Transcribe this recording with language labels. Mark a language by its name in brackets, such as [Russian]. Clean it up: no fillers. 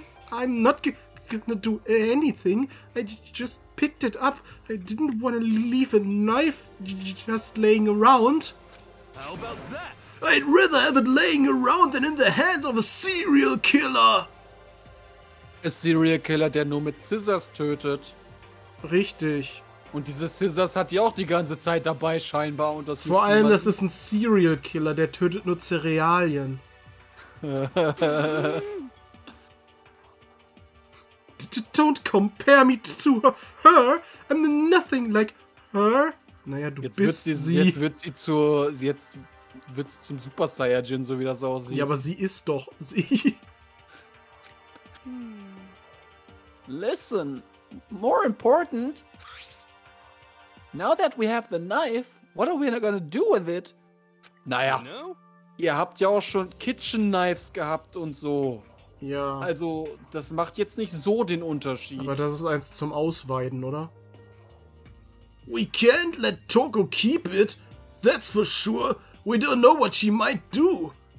[English] I'm not gonna do anything. I just picked it up. I didn't want to leave a knife just laying around. How about that? I'd rather have it laying around than in the hands of a serial killer. A serial killer, [German] der nur mit Scissors tötet. Richtig. Und diese Scissors hat die auch die ganze Zeit dabei scheinbar. Und das vor allem, das ist ein Serial Killer, der tötet nur Cerealien. [English] Don't compare me to her. I'm nothing like her. [German] Naja, du jetzt bist sie. Jetzt wird sie zur. Jetzt wird sie zum Super Saiyajin, so wie das aussieht. Ja, aber sie ist doch sie. [English] Listen, more important. Now that we have the knife, what are we gonna do with it? [German] Naja. Ihr habt ja auch schon Kitchen Knives gehabt und so. Ja. Also, das macht jetzt nicht so den Unterschied. Aber das ist eins zum Ausweiden, oder? [English] We can't let Toko keep it. That's for sure. We don't know what she might do.